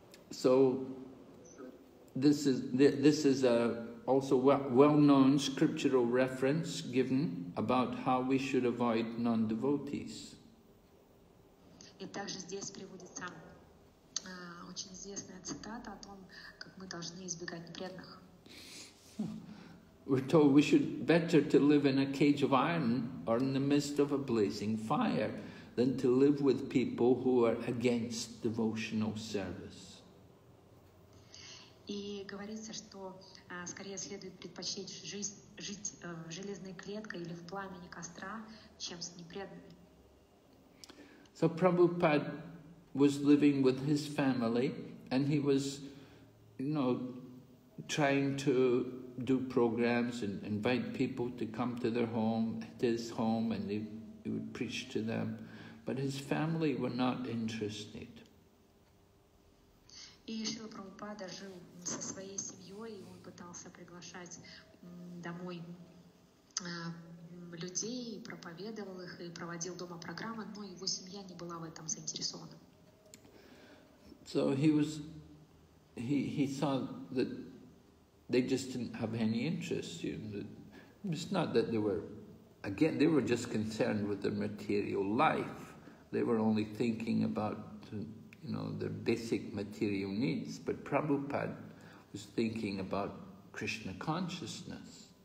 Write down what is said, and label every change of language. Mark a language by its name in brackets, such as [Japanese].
[English] So, This is a also well-known scriptural reference given about how we should avoid non-devotees. [Russian] И также здесь приводится очень известная цитата о том, как мы должны избегать непреданных. [English] We're told we should better to live in a cage of iron or in the midst of a blazing fire than to live with people who are against devotional service. [Russian] И говорится, что скорее следует предпочесть жить в железной клетке или в пламени костра, чем с непреданными. [English] So Prabhupada was living with his family, and he was, you know, trying to do programs and invite people to come to their home, his home, and he would preach to them. But his family were not interested. [Russian] И Шрила Прабхупада жил со своей семьей, и он пытался приглашать домой людей, проповедовал их и проводил дома программы, но его семья не была в этом заинтересована. [English] So he saw that they just didn't have any interest. It's not that they were just concerned with their material life. They were only thinking about their basic material needs, but Prabhupada was thinking about Krishna consciousness.